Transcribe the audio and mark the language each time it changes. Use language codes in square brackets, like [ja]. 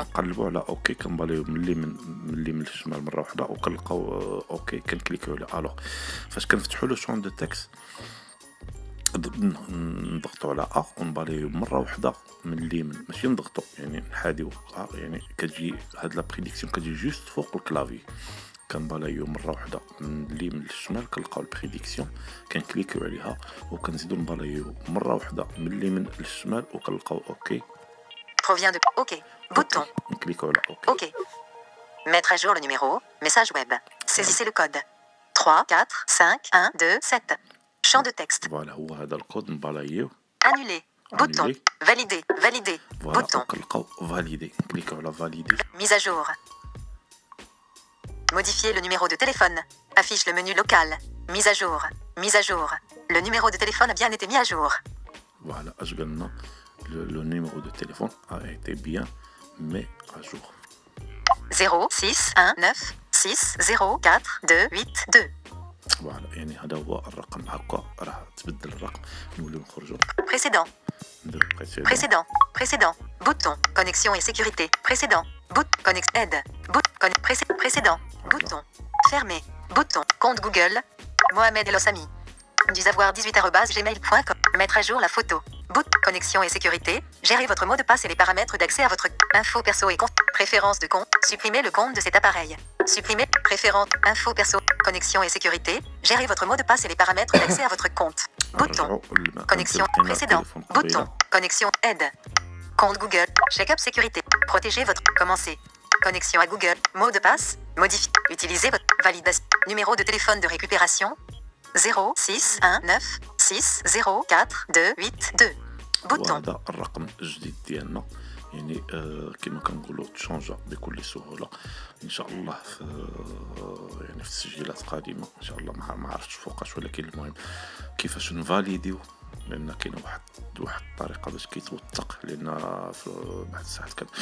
[ar] نقلبوا على اوكي كنباليو ملي من الشمال مره واحده وكنلقاو اوكي كنكليكيو على الوغ فاش كنفتحوا لو شون دو تيكست نضغطوا على ا ونباليو مره واحده من اليمين ماشي نضغطوا يعني نحاديو يعني كتجي هاد لا بريديكسيون كتجي جوست فوق الكلافي كنباليو مره واحده من اليمين للشمال كنلقاو البريديكسيون كنكليكيو عليها وكنزيدو نباليو مره واحده من اليمين للشمال وكنلقاو اوكي [fr] provient de OK bouton OK mettre à jour le numéro message web saisissez le code 3 4 5 1 2 7 champ de texte voilà [ar] هو هذا الكود نبالايو [fr] annuler bouton valider voilà. bouton [ar] كنلقاو valider كليكو على valider [fr] mise à jour modifier le numéro de téléphone affiche le menu local mise à jour le numéro de téléphone a bien été mis à jour voilà [ar] اش قلنا [fr] Le numéro de téléphone a été bien mis à jour. 0 6 1 9 6 0 4 2 8 2. [ar] Voilà, يعني هذا هو الرقم هكا راه تبدل الرقم نولي نخرجوا. [fr] Précédent. Précédent. Précédent. Bouton connexion et sécurité. Précédent. Bouton connect aide. Bouton précédent. Bouton fermé. Bouton compte Google. Mohamed El Ossami. disavoir18@gmail.com. Mettre à jour la photo. Boot, connexion et sécurité. Gérer votre mot de passe et les paramètres d'accès à votre info perso et compte. Préférences de compte. Supprimer le compte de cet appareil. Supprimer. Préférences. Info perso. Connexion et sécurité. Gérer votre mot de passe et les paramètres d'accès à votre compte. Bouton. Connexion. Précédent. Bouton. Connexion. Aide. Compte Google. Check-up sécurité. Protéger votre. Commencer. Connexion à Google. Mot de passe. Modifier. Utiliser votre. Validation. Numéro de téléphone de récupération. 0 6 1 9 6 0 4 2 8 2. Bouton. [ar] هذا الرقم الجديد ديالنا يعني كما كنقولوا تشانجا بكل سهوله ان شاء الله في يعني في السجلات القادمه ان شاء الله ما عرفتش فوقاش ولكن المهم كيفاش نفاليديو لان كاين واحد الطريقه باش كيتوثق لان في بعض الساعات